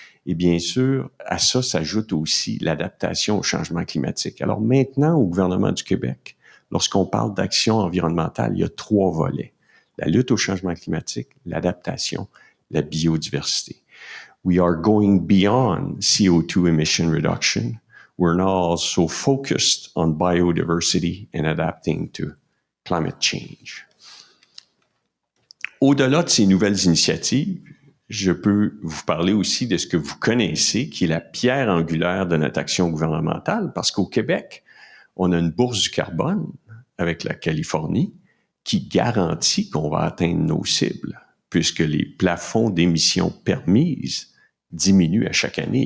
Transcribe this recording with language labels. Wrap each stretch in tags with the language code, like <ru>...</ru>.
<fr>Et bien sûr, à ça s'ajoute aussi l'adaptation au changement climatique. Alors maintenant, au gouvernement du Québec, lorsqu'on parle d'action environnementale, il y a 3 volets. La lutte au changement climatique, l'adaptation, la biodiversité.</fr> <en>We are going beyond CO2 emission reduction. We're now also focused on biodiversity and adapting to climate change.</en> <fr>Au-delà de ces nouvelles initiatives, je peux vous parler aussi de ce que vous connaissez, qui est la pierre angulaire de notre action gouvernementale, parce qu'au Québec, on a une bourse du carbone avec la Californie, qui garantit qu'on va atteindre nos cibles, puisque les plafonds d'émissions permises diminuent à chaque année.</fr>